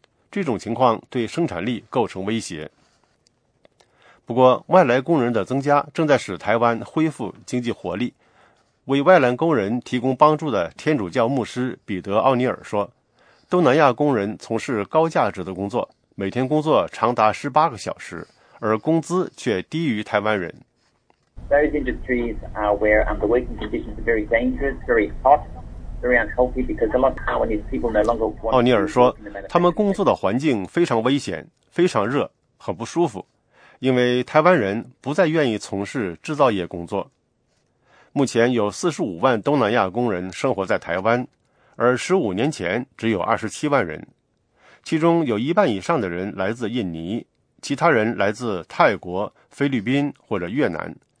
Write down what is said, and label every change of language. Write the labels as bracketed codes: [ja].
[zh] 这种情况对生产力构成威胁。不过，外来工人的增加正在使台湾恢复经济活力，为外兰工人提供帮助的天主教牧师彼得·奥尼尔说，东南亚工人从事高价值的工作，每天工作长达18个小时，而工资却低于台湾人。 [en] Those industries are where the working conditions are very dangerous, very hot, very unhealthy because a lot of Taiwanese people no longer want to. [zh] 奥尼尔说，他们工作的环境非常危险，非常热，很不舒服，因为台湾人不再愿意从事制造业工作。目前有45万东南亚工人生活在台湾，而15年前只有27万人，其中有一半以上的人来自印尼，其他人来自泰国、菲律宾或者越南。